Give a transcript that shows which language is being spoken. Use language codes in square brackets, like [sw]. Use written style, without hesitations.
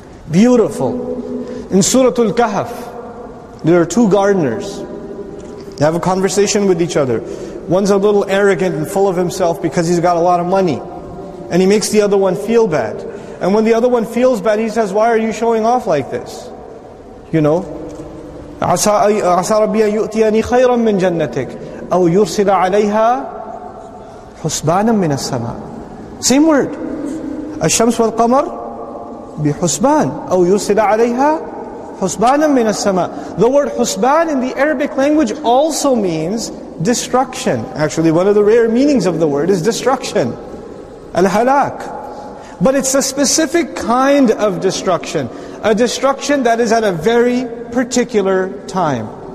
[en] Beautiful. In Suratul Kahf, there are two gardeners. They have a conversation with each other. One's a little arrogant and full of himself because he's got a lot of money. And he makes the other one feel bad. And when the other one feels bad, he says, why are you showing off like this? You know? [ar] عَسَى رَبِّيَ يُؤْتِيَنِي خَيْرًا مِّن جَنَّتِكَ أَوْ يُرْسِلَ عَلَيْهَا حُسْبَانًا مِّنَ السَّمَاءِ. [en] Same word. [ar] الشَّمْسُ وَالْقَمَرُ بحسبان أو يرسل عليها حسبانا من السماء. [en] The word حسبان in the Arabic language also means destruction. Actually, one of the rare meanings of the word is destruction. Al-halak. But it's a specific kind of destruction. A destruction that is at a very particular time.